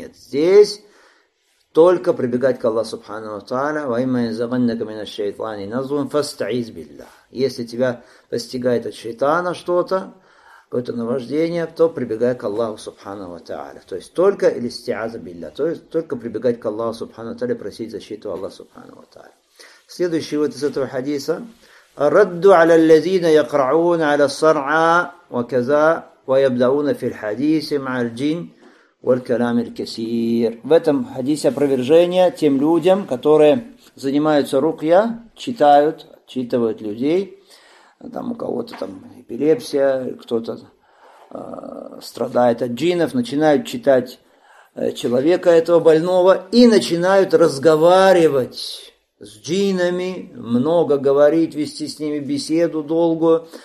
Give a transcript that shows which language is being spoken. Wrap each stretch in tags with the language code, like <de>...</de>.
<ru>Нет, здесь только прибегать к Аллаху субхана ва тааля, ва имма язганнака минаш шайтани назум фастаиз биллях. Если тебя постигает от шайтана что-то, какое-то наваждение, то прибегай к Аллаху субхана ва тааля. То есть только или истиаза биллях, то есть только прибегать к Аллаху субхана ва тааля, просить защиту Аллаха субхана ва тааля. Следующий вот из этого хадиса:</ru> <ar>الرد على الذين يقرعون على الصرعى وكذا ويبدأون في الحديث مع الجن والكلام الكثير.</ar> <ru>В этом хадисе опровержение тем людям, которые занимаются рукья, читают, отчитывают людей. Там у кого-то там эпилепсия, кто-то страдает от джинов, начинают читать человека этого больного и начинают разговаривать с джинами, много говорить, вести с ними беседу долгую.</ru>